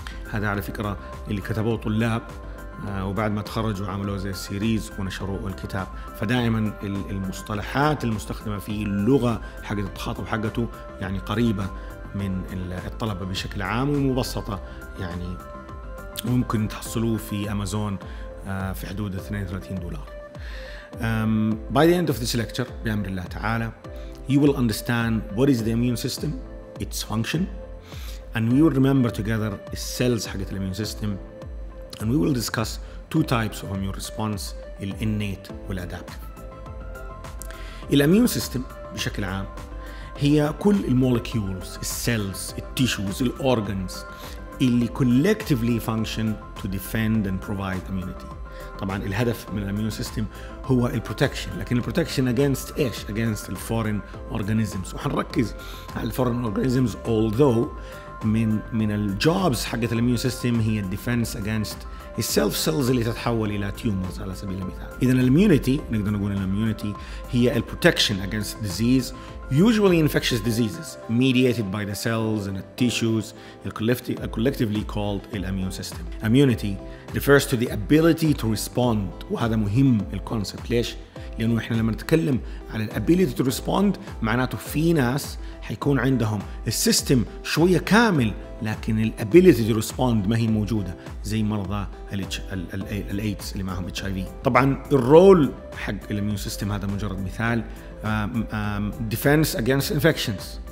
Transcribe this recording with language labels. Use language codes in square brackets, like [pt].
[ar] هذا على فكرة اللي كتبوه طلاب وبعد ما تخرجوا عملوا زي السيريز ونشروا الكتاب، فدائما المصطلحات المستخدمة في اللغة حق التخاطب حقته يعني قريبة من الطلبة بشكل عام ومبسطة، يعني ممكن تحصلوه في أمازون في حدود 32 دولار. [en] By the end of this lecture, [ar] بأمر الله تعالى, [en] you will understand what is the immune system, its function, and we will remember together the cells [ar] حق [en] the immune system, and we will discuss two types of immune response, the innate and adaptive. The immune system, [ar] بشكل عام, هي كل [en] the molecules, the cells, the tissues, the organs, [ar] اللي [en] collectively function to defend and provide immunity. [ar] طبعا الهدف من الاميون سيستم هو البروتكشن، لكن البروتكشن [en] against [ar] ايش؟ against الفورين اورجانيزمز، وحنركز على الفورين اورجانيزمز. although من الجوبز حقت الاميون سيستم هي الديفنس [en] against [ar] السيلف سيلز اللي تتحول الى تيومرز على سبيل المثال. اذا الاميونيتي نقدر نقول الاميونيتي هي البروتكشن [en] against disease, usually infectious diseases mediated by the cells and the tissues collectively called the immune system. Immunity refers to the ability to respond, [ar] وهذا مهم الكونسبت. ليش؟ لأنه إحنا لما نتكلم على [en] the ability to respond [ar] معناته في ناس حيكون عندهم السيستم شوية كامل لكن the ability to respond ما هي موجودة، زي مرضى الايدز اللي معهم HIV. طبعا الرول حق الاميون سيستم هذا مجرد مثال، [en] defense against infections.